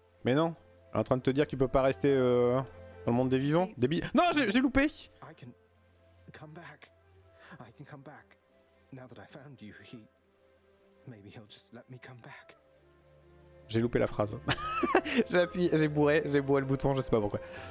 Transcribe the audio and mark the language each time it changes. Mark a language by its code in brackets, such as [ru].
[fr] Mais non, en train de te dire que tu peux pas rester dans le monde des vivants, des billes. Non, j'ai loupé. [en] I can come back. I can come back. Now that I found you, he maybe he'll just let me come back. [fr] J'ai loupé la phrase. j'ai bourré le bouton, je sais pas pourquoi.